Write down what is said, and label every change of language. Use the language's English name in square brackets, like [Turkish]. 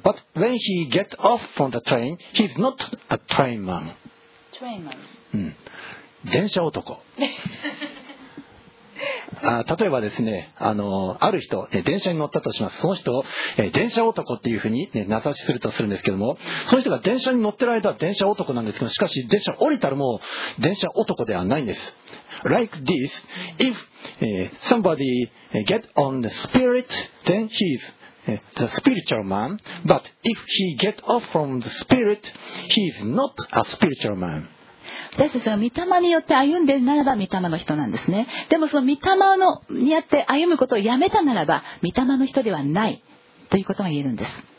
[English] But when he get off from the train, he is not a train man. Train man. [Japanese] 電車男。例えばですね、ある人、電車に乗ったとします。その人を、電車男っていうふうに、ね、名指しするとするんですけども、その人が電車に乗ってる間は電車男なんですけど、しかし電車降りたらもう電車男ではないんです。 [English] Like this, if somebody get on the spirit, then he's the spiritual man, but if he get off from the spirit, he's not a spiritual man. [Japanese] 私たちは御霊によって歩んでいるならば御霊の人なんですね。でもその御霊のにあって歩むことをやめたならば御霊の人ではないということが言えるんです。